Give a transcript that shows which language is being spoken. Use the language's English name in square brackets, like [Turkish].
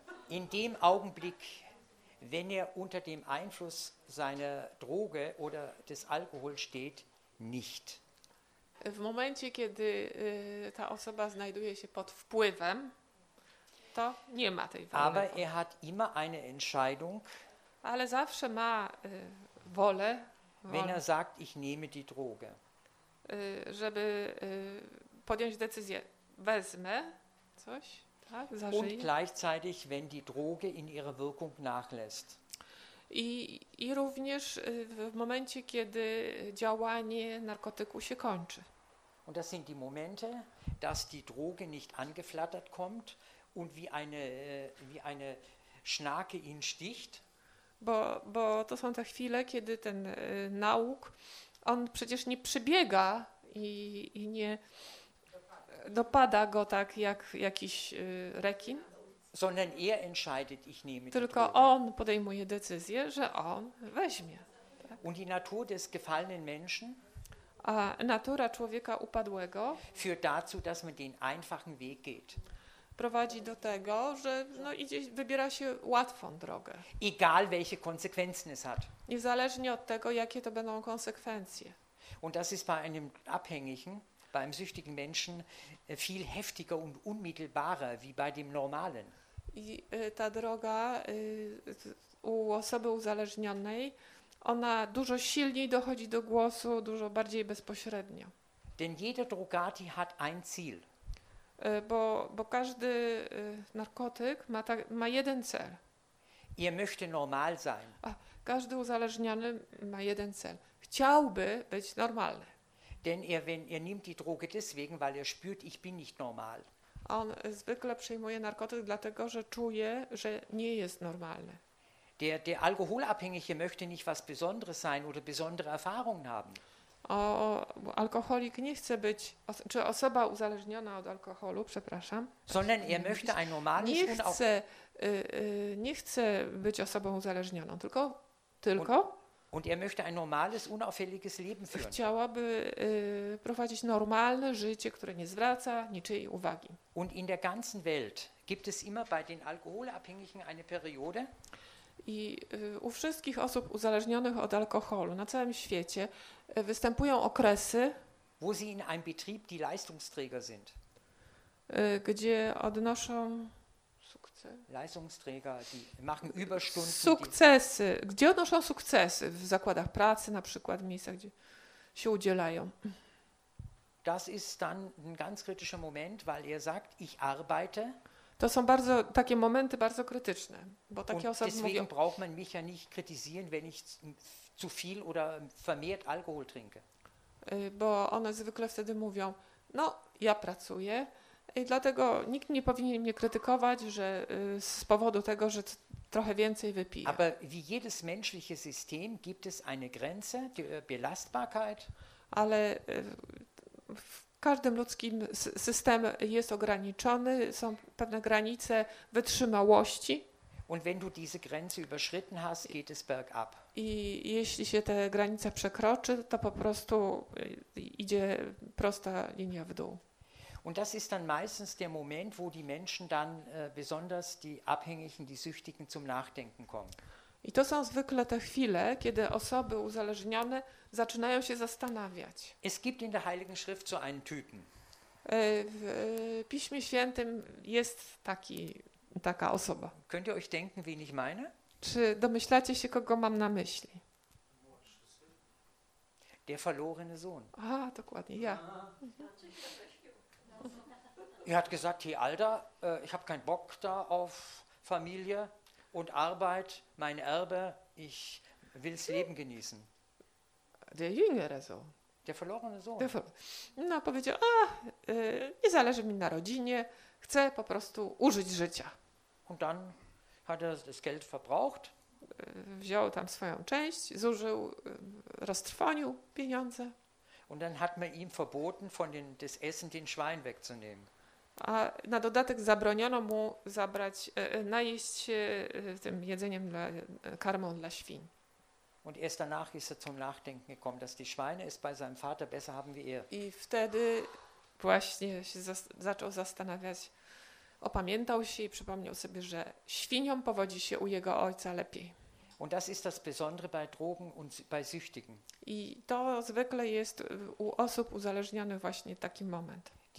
[German] In dem Augenblick, wenn unter dem Einfluss seiner Droge oder des Alkohols steht, nicht. [Polish] W momencie, kiedy ta osoba znajduje się pod wpływem, to nie ma tej wolnej woli. [German] Aber er hat immer eine Entscheidung. [Polish] Ale zawsze ma wolę. [German] Wenn er sagt, ich nehme die Droge. [Polish] Żeby podjąć decyzję, wezmę coś, tak, zażyję. [German] Und gleichzeitig, wenn die Droge in ihrer Wirkung nachlässt. [Polish] I również w momencie, kiedy działanie narkotyku się kończy. [German] Und das sind die Momente, dass die Droge nicht angeflattert kommt und wie eine Schnake ihn sticht. [Polish] Bo to są te chwile, kiedy ten nauk, on przecież nie przybiega i nie dopada go tak jak jakiś rekin. [German] Sondern er entscheidet, ich nehme [Polish] tylko [German] die [Polish] on podejmuje decyzję, że on weźmie. Tak? [German] Und die Natur des gefallenen Menschen, [Polish] a natura człowieka upadłego [German] führt dazu, dass man den einfachen Weg geht. [Polish] prowadzi do tego, że no, idzie, wybiera się łatwą drogę. [German] Egal welche Konsequenzen es hat. [Polish] Niezależnie od tego, jakie to będą konsekwencje. [German] Und das ist bei einem Abhängigen, bei einem süchtigen Menschen viel heftiger und unmittelbarer wie bei dem normalen. [Polish] I ta droga u osoby uzależnionej, ona dużo silniej dochodzi do głosu, dużo bardziej bezpośrednio. [German] Denn jeder Drogati hat ein Ziel. [Polish] Bo każdy narkotyk ma jeden cel. [German] Er möchte normal sein. [Polish] Każdy uzależniony ma jeden cel. Chciałby być normalny. [German] Denn er nimmt die Droge deswegen, weil er spürt, ich bin nicht normal. [Polish] On zwykle przyjmuje narkotyk dlatego, że czuje, że nie jest normalny. [German] Der Alkoholabhängige möchte nicht was Besonderes sein oder besondere Erfahrungen haben. [Polish] Alkoholik nie chce być, czy osoba uzależniona od alkoholu, przepraszam. [German] Sondern er möchte ein normales [Polish] nie chce, [German] auch... [Polish] nie chce być osobą uzależnioną, tylko [German] und er möchte ein normales, unauffälliges Leben führen. [Polish] Chciałaby prowadzić normalne życie, które nie zwraca niczyjej uwagi. [German] Und in der ganzen Welt gibt es immer bei den Alkoholabhängigen eine Periode. [Polish] I u wszystkich osób uzależnionych od alkoholu na całym świecie występują okresy, [German] wo sie in einem Betrieb die Leistungsträger sind. [Polish] Gdzie odnoszą [German] Leistungsträger, die machen Überstunden. [Polish] Sukcesy. Gdzie odnoszą sukcesy? W zakładach pracy, na przykład w miejscach, gdzie się udzielają. [German] Das ist dann ein ganz kritischer Moment, weil er sagt, ich arbeite. [Polish] To są bardzo takie momenty bardzo krytyczne, bo takie [German] und [Polish] osoby [German] deswegen [Polish] mówią, [German] braucht man mich ja nicht kritisieren, wenn ich zu viel oder vermehrt Alkohol trinke. [Polish] Bo one zwykle wtedy mówią, no ja pracuję i dlatego nikt nie powinien mnie krytykować, że z powodu tego, że trochę więcej wypiję. [German] Aber wie jedes menschliche System gibt es eine Grenze der Belastbarkeit. [Polish] Ale każdym ludzkim system jest ograniczony, są pewne granice wytrzymałości. [German] Und wenn du diese Grenze überschritten hast, geht es bergab. [Polish] I jeśli się te granice przekroczy, to po prostu idzie prosta linia w dół. [German] Und das ist dann meistens der Moment, wo die Menschen dann besonders die Abhängigen, die Süchtigen zum Nachdenken kommen. [Polish] I to są zwykle te chwile, kiedy osoby uzależnione zaczynają się zastanawiać. [German] Es gibt in der Heiligen Schrift so einen Typen. [Polish] W Piśmie Świętym jest taka osoba. [German] Könnt ihr euch denken, wen ich meine? [Polish] Czy domyślacie się, kogo mam na myśli? [German] Der verlorene Sohn. [Polish] Aha, dokładnie, ja. [German] Er hat gesagt, hey Alter, ich habe keinen Bock da auf Familie und Arbeit, mein Erbe, ich will's Leben genießen. Der jüngere Sohn. Der verlorene Sohn. [Polish] No, powiedział, nie zależy mi na rodzinie, chcę po prostu użyć życia. [German] Und dann hat das Geld verbraucht. [Polish] Wziął tam swoją część, zużył, roztrwonił pieniądze. [German] Und dann hat man ihm verboten, von das Essen den Schwein wegzunehmen. [Polish] A na dodatek zabroniono mu zabrać, najeść się tym jedzeniem karmą dla świń. [German] Und erst danach ist zum Nachdenken gekommen, dass die Schweine es bei seinem Vater besser haben wie [Polish] I wtedy właśnie się zaczął zastanawiać, opamiętał się i przypomniał sobie, że świniom powodzi się u jego ojca lepiej. [German] Und das ist das Besondere bei Drogen und bei Süchtigen. [Polish] I to zwykle jest u osób uzależnionych właśnie taki moment.